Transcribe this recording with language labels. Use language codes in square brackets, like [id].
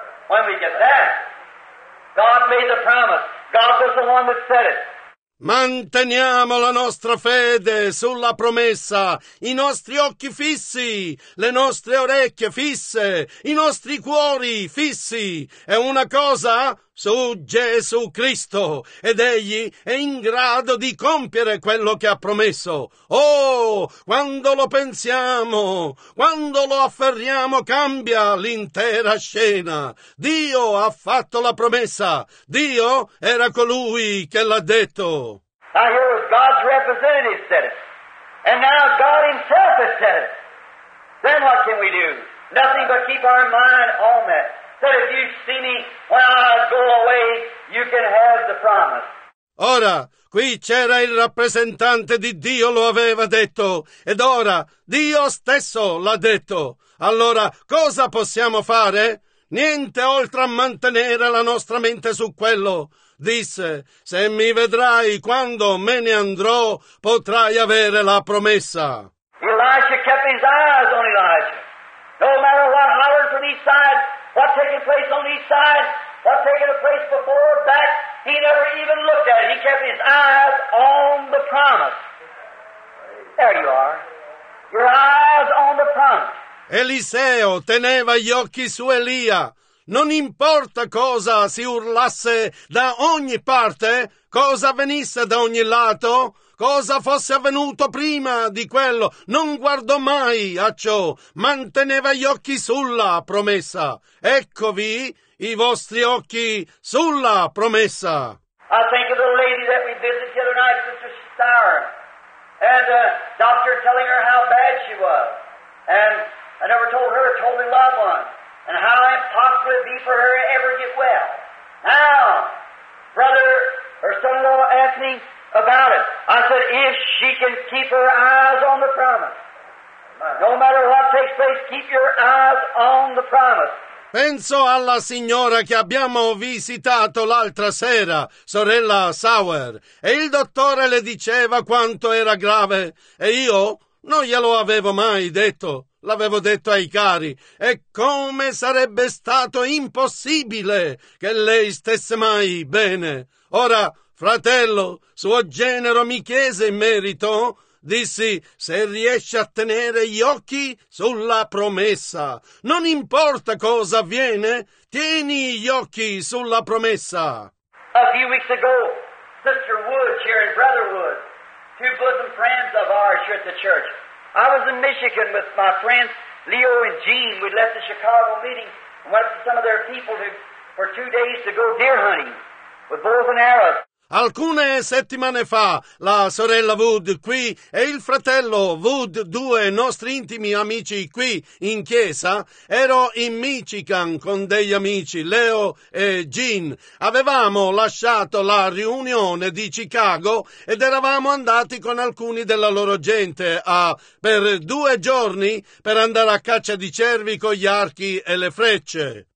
[en] When we get that, God made the promise. God was the one that said it. [it] Manteniamo la nostra fede sulla promessa, i nostri occhi fissi, le nostre orecchie fisse, i nostri cuori fissi. È una cosa su Gesù Cristo ed egli è in grado di compiere quello che ha promesso. Oh, quando lo pensiamo, quando lo afferriamo, cambia l'intera scena. Dio ha fatto la promessa. Dio era colui che l'ha detto. [en] Now here was God's representative said it. And now God himself has said it. Then what can we do? Nothing but keep our mind on that. That if you see me when I go away, you can have the promise. [it] Ora, qui c'era il rappresentante di Dio, lo aveva detto. Ed ora, Dio stesso l'ha detto. Allora, cosa possiamo fare? Niente oltre a mantenere la nostra mente su quello. Disse, se mi vedrai quando me ne andrò, potrai avere la promessa. [en] Elijah kept his eyes on Elijah. No matter what hollered from each side, what taking place on each side, what taking place before, back, He never even looked at it. He kept his eyes on the promise. There you are. Your eyes on the promise. [it] Eliseo teneva gli occhi su Elia. Non importa cosa si urlasse da ogni parte, cosa venisse da ogni lato, cosa fosse avvenuto prima di quello, non guardò mai a ciò, manteneva gli occhi sulla promessa. Eccovi i vostri occhi sulla promessa. [en] I think of the lady that we visited the other night, Sister Starr, and the doctor telling her how bad she was. And I never told her, told the loved one. And how impossible it would be for her to ever get well. Now, brother or son-in-law asked me about it. I said, if she can keep her eyes on the promise. No matter what takes place, keep your eyes on the promise. [it] Penso alla signora che abbiamo visitato l'altra sera, sorella Sauer. E il dottore le diceva quanto era grave. E io non glielo avevo mai detto. L'avevo detto ai cari, e come sarebbe stato impossibile che lei stesse mai bene. Ora, fratello, suo genero mi chiese in merito, dissi, se riesce a tenere gli occhi sulla promessa, non importa cosa avviene, tieni gli occhi sulla promessa. [en] A few weeks ago, Sister Woods here in Brotherwood, two bosom friends of ours here at the church, I was in Michigan with my friends Leo and Gene. We left the Chicago meeting and went to some of their people for 2 days to go deer hunting with bows and arrows. [it] Alcune settimane fa, la sorella Wood qui e il fratello Wood, due nostri intimi amici qui in chiesa, ero in Michigan con degli amici, Leo e Gene. Avevamo lasciato la riunione di Chicago ed eravamo andati con alcuni della loro gente per 2 giorni per andare a caccia di cervi con gli archi e le frecce.